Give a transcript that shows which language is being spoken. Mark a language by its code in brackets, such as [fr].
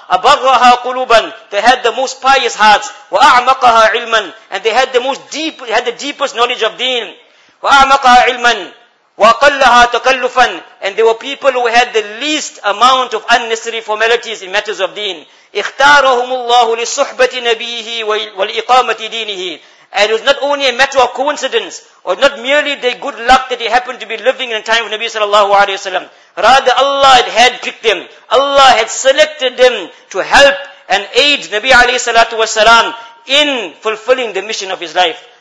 [ar] أبغها قلوبا. [en] They had the most pious hearts. [ar] وأعمقها علما. [en] And they had the most deep, had the deepest knowledge of deen. [ar] وأعمقها علما. وأقلها تكلفا. [en] And they were people who had the least amount of unnecessary formalities in matters of deen. [ar] اختارهم الله لصحبة نبيه والإقامة دينه. [en] And it was not only a matter of coincidence, or not merely the good luck that he happened to be living in the time of Nabi sallallahu alayhi wa sallam. Rather, Allah had picked them. Allah had selected them to help and aid Nabi alayhi salatu wa sallam in fulfilling the mission of his life.